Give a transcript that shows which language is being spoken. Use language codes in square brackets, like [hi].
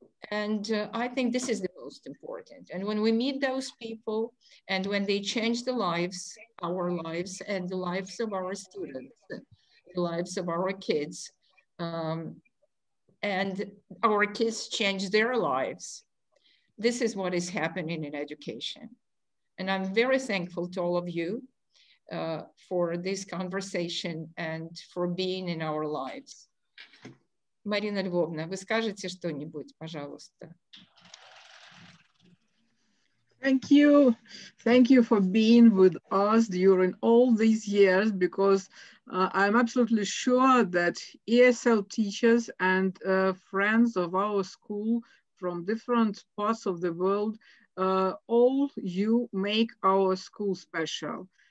[en] And I think this is the most important. And when we meet those people, and when they change the lives, our lives, and the lives of our students, the lives of our kids, and our kids change their lives, this is what is happening in education. And I'm very thankful to all of you for this conversation and for being in our lives. [ru] Марина Львовна, вы скажете что-нибудь, пожалуйста? [en] Thank you. Thank you for being with us during all these years, because I'm absolutely sure that ESL teachers and friends of our school from different parts of the world, all you make our school special.